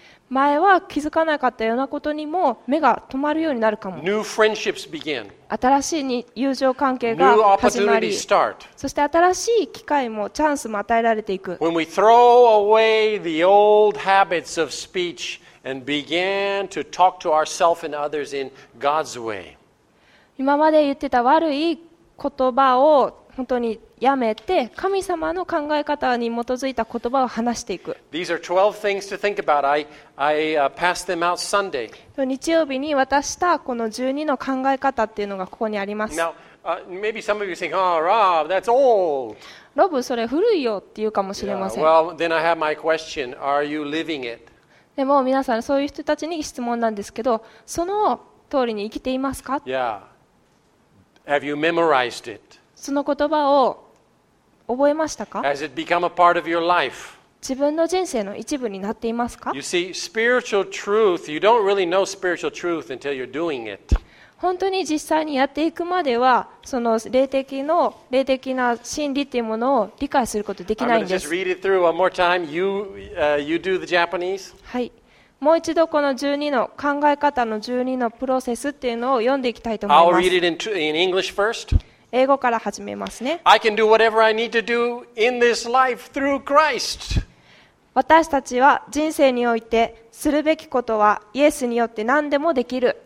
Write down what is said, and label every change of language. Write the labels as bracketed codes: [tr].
[ja] 前は気づかなかったようなことにも目が止まるようになるかも。新しい友情関係が始まり、そして新しい機会もチャンスも与えられていく。 [en] When we throw away the old habits of speech,And began to talk to ourselves and others in God's way. [ja] 今まで言ってた悪い言葉を本当にやめて、神様の考え方に基づいた言葉を話していく。 [en] These are 12 things to think about. I passed them out Sunday. [ja] 日曜日に渡したこの12の考え方っていうのがここにあります。 [en] Now, maybe some of you think, "Oh, Rob, that's old." [ja] ロブ、それ古いよって言うかもしれません。 [en] Well, then I have my question: Are you living it? [ja] でも皆さんそういう人たちに質問なんですけど、その通りに生きていますか？ [en] Yeah. Have you memorized it? [ja] その言葉を覚えましたか？ [en] Has it become a part of your life? [ja] 自分の人生の一部になっていますか？ [en] You see, spiritual truth, you don't really know spiritual truth until you're doing it. [ja] 本当に実際にやっていくまでは、その霊的な真理というものを理解することができないんです。 [en] I'm going to just read it through one more time. You do the Japanese. [ja] はい、もう一度この12の考え方の12のプロセスっていうのを読んでいきたいと思います。 [en] I'll read it in English first. [ja] 英語から始めますね。 [en] I can do whatever I need to do in this life through Christ. [ja] 私たちは人生においてするべきことはイエスによって何でもできる。